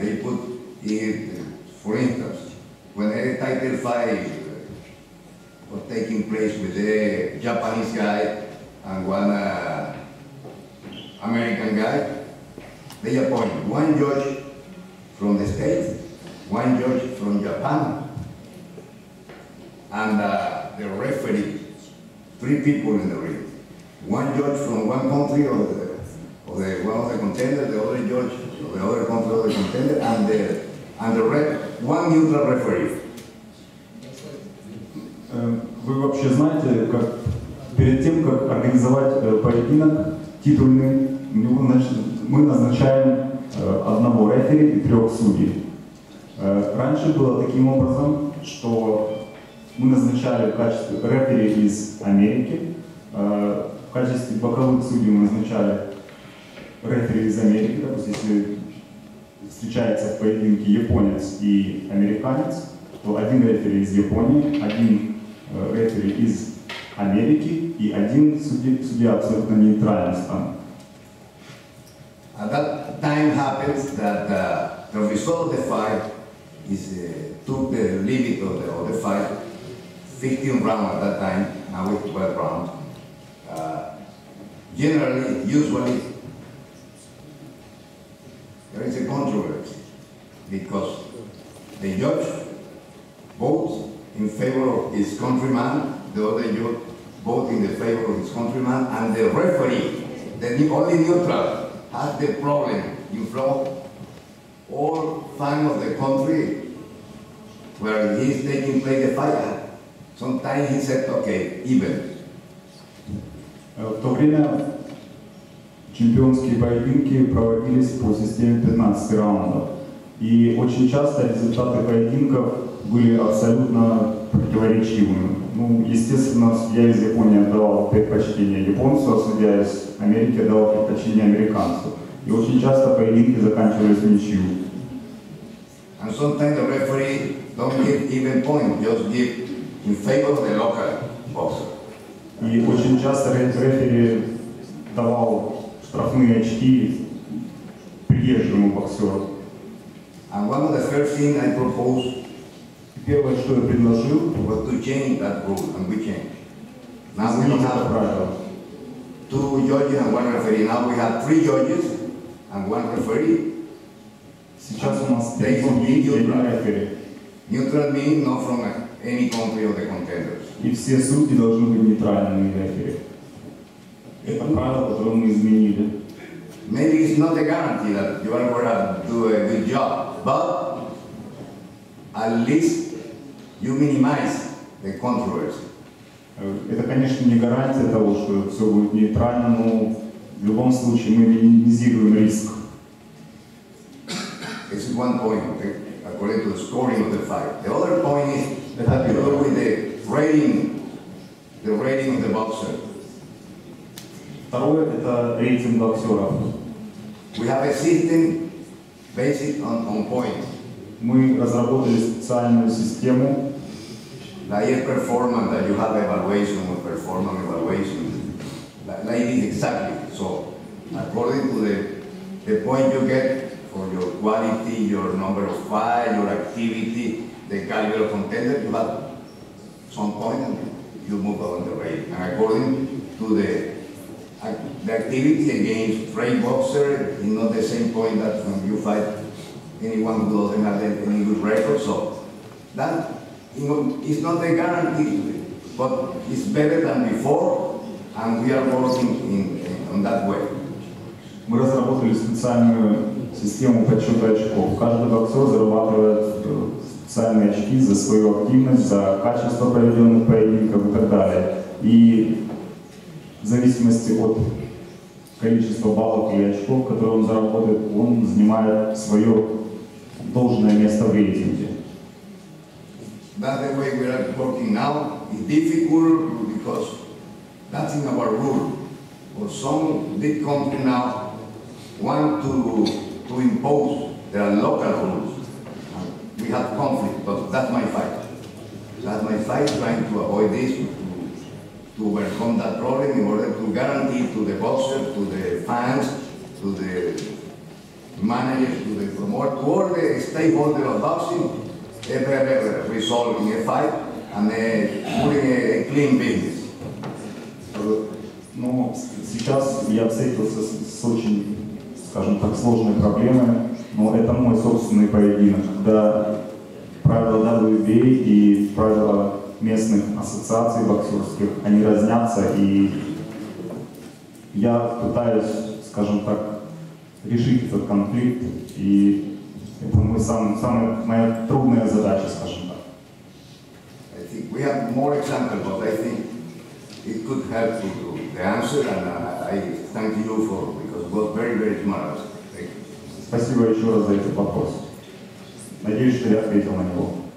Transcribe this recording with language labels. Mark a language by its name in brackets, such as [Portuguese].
[English] They put it, for instance, when a title fight was taking place with a Japanese guy and one American guy, they appoint one judge from the States, one judge from Japan, and the referee, three people in the ring. One judge from one country or the contender, the other judge of the other country or the contender, and one neutral referee. [Russian] Вы вообще знаете, как перед тем, как организовать поединок титульный, мы назначаем одного рефери и трех судей. Раньше было таким образом, что мы назначали в качестве рефери из Америки, в качестве боковых судей мы назначали рефери из Америки, допустим, если встречается в поединке японец и американец, то один рефери из Японии, один рефери из Америки и один судья абсолютно нейтральный стран. [English] At that time happens that the result of the fight is took the limit of the fight, 15 rounds at that time, now it's 12 rounds. Generally, usually, there is a controversy because the judge votes in favor of his countryman, the other judge votes in the favor of his countryman, and the referee, the only neutral, has the problem in front of all fans of the country where he is taking place the fight. Sometimes he said, okay, even. [Russian] В то время чемпионские поединки проводились по системе 15 раундов. И очень часто результаты поединков были абсолютно противоречивыми. Ну, естественно, судья из Японии отдавал предпочтение японцу, а судья из Америки отдавал предпочтение американцу. И очень часто поединки заканчивались ничью. [English] And sometimes the referee don't give even points, just give in favor of the local boxer. [Russian] И очень часто рефери давал штрафные очки приезжему боксеру. [English] А And one of the first things I proposed, [Russian] первое, что я предложил, [English] was to change that rule, and we changed. Now we don't have правила. Two judges and one referee. Now we have three judges and one referee. [Russian] Сейчас у нас три судьи и один referee. [English] Neutral means not from any country of the contenders. [Russian] И все судьи должны быть нейтральными referee. Это правило, которое мы изменили. [English] Maybe it's not a guarantee that you are going to do a good job, but at least you minimize the controversy. [Russian] Это, конечно, не гарантия того, что все будет нейтрально, но в любом случае мы минимизируем риск. [English] This is one point, okay? According to the scoring of the fight. The other point is that has to do with the rating of the boxer. [Russian] Второе – это рейтинг боксеров. [English] We have a system based on points. [Russian] Мы разработали специальную систему. [English] Like a performance, that you have evaluation or performance evaluation. Like this, exactly. So, according to the point you get for your quality, your number of fights, your activity, the caliber of contender, you have some point and you move on the rating. And according to the activity against great boxer is not the same point that when you fight anyone who doesn't have any good record. So that, you know, is not a guarantee, but it's better than before, and we are working on that way. [Russian] Мы разработали специальную систему подсчета очков. Каждый боксер зарабатывает специальные очки за свою активность, за качество проведенных поединков и так далее. В зависимости от количества баллов или очков, которые он заработает, он занимает свое должное место в рейтинге. [English] That's the way we are working now. It's difficult because that's in our rule. But some big companies now want to impose their local rules. We have conflict, but that's my fight. That's my fight trying to avoid this. To overcome that problem in order to guarantee to the boxer, to the fans, to the managers, to the promoter, to all the stakeholders of boxing, ever resolving a fight and doing a clean business. [Russian] Ну, сейчас я встретился с очень, скажем так, сложной проблемой, но это мой собственный поединок, когда правила WBA и правила местных ассоциаций боксерских, они разнятся, и я пытаюсь, скажем так, решить этот конфликт, и это моя трудная задача, скажем так. [English] I think we have more examples, but I think it could help you to the answer, and I thank you for, because it was very, very smart. [Russian] Спасибо еще раз за этот вопрос. Надеюсь, что я ответил на него.